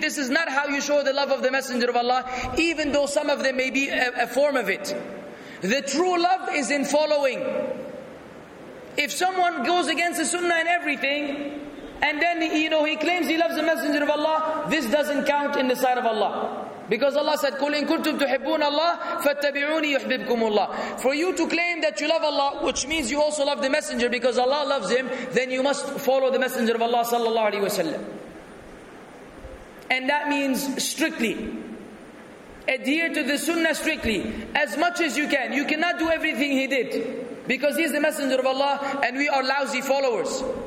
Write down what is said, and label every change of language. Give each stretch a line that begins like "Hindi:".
English: This is not how you show the love of the Messenger of Allah, even though some of them may be a form of it. The true love is in following. If someone goes against the sunnah and everything, and then he claims he loves the Messenger of Allah, this doesn't count in the sight of Allah. Because Allah said,
Arabic: قُلْ إِن كُنْتُمْ تُحِبُّونَ اللَّهِ فَاتَّبِعُونِي يُحْبِبْكُمُ اللَّهِ.
English: For you to claim that you love Allah, which means you also love the Messenger because Allah loves him, then you must follow the Messenger of Allah
Arabic: sallallahu alayhi wa sallam.
English: And that means strictly. Adhere to the sunnah strictly. As much as you can. You cannot do everything he did. Because he is the Messenger of Allah and we are lousy followers.